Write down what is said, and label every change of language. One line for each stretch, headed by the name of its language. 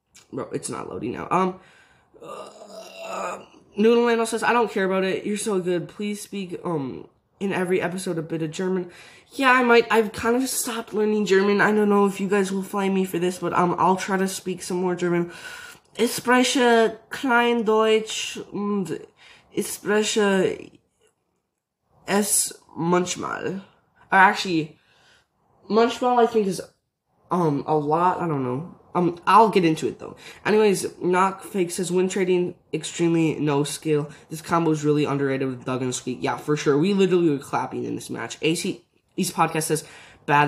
English: Bro, it's not loading now. Noodle Mano says, I don't care about it. You're so good. Please speak, in every episode a bit of German. Yeah, I might. I've kind of stopped learning German. I don't know if you guys will find me for this, but, I'll try to speak some more German.
German: Ich spreche klein Deutsch und ich spreche es manchmal.
English: Or actually, manchmal I think is, a lot. I don't know. I'll get into it though. Anyways, Knockfake says win trading extremely no skill. This combo is really underrated with Doug and Squeak. Yeah, for sure. We literally were clapping in this match. AC East Podcast says bad.